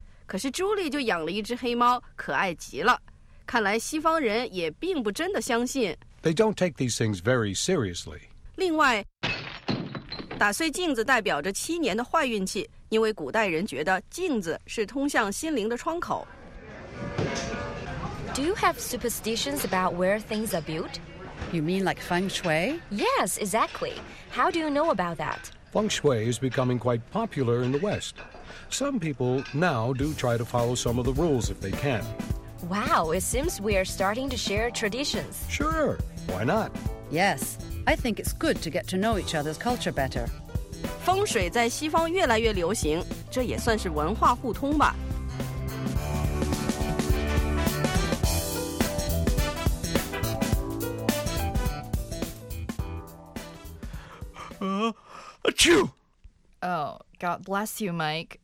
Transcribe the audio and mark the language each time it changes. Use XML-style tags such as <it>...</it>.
<zh>可是朱莉就养了一只黑猫，可爱极了。看来西方人也并不真的相信。</zh> <en>They don't take these things very seriously.</en> <zh>另外。打碎镜子代表着7年的坏运气，因为古代人觉得镜子是通向心灵的窗口。</zh> <en>Do you have superstitions about where things are built? You mean like feng shui? Yes, exactly. How do you know about that? Feng shui is becoming quite popular in the West. Some people now do try to follow some of the rules if they can. Wow, it seems we are starting to share traditions. Sure, why not? Yes. I think it's good to get to know each other's culture better.</en> <zh>风水在西方越来越流行，这也算是文化互通吧。</zh> <en>Oh, God bless you, Mike.</en>